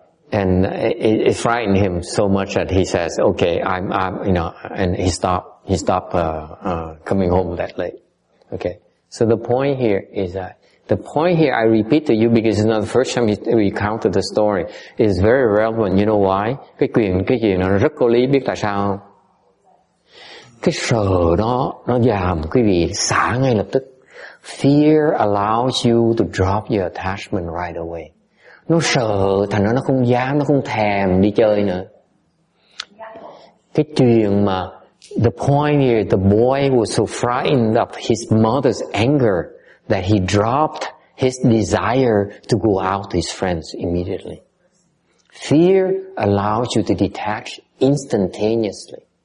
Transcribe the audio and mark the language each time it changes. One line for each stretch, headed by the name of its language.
English: And it frightened him so much that he says, "Okay, I'm, you know," and he stopped coming home that late. Okay. So the point here is that, the point here I repeat to you because it's not the first time we recounted the story, is very relevant. You know why?
Vietnamese: Cái quyền, cái gì nó rất có lý, biết tại sao không? Cái sợ đó, nó giảm quý vị xả ngay lập tức.
English: Fear allows you to drop your attachment right away.
Vietnamese: Nó sợ, thành ra nó không dám, nó không thèm đi chơi nữa. Cái chuyện mà,
English: the point here, the boy was so frightened of his mother's anger that he dropped his desire to go out to his friends immediately. Fear allows you to detach instantaneously.